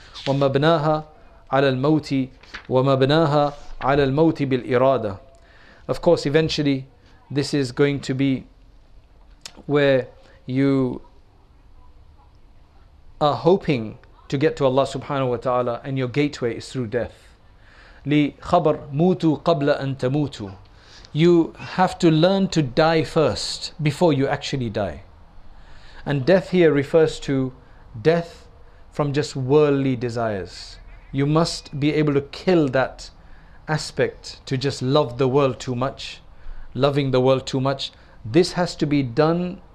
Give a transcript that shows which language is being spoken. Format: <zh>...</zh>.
<ar>وَمَبْنَاهَا عَلَى الْمَوْتِ وَمَبْنَاهَا عَلَى الْمَوْتِ بِالْإِرَادَةِ.</ar> <en>Of course, eventually, this is going to be where you are hoping to get to Allah subhanahu wa ta'ala, and your gateway is through death.</en> <ar>لِخَبَرْ مُوتُوا قَبْلَ أَن تَمُوتُوا.</ar> <en>You have to learn to die first before you actually die. And death here refers to death from just worldly desires. You must be able to kill that aspect to just love the world too much. Loving the world too much. This has to be done</en>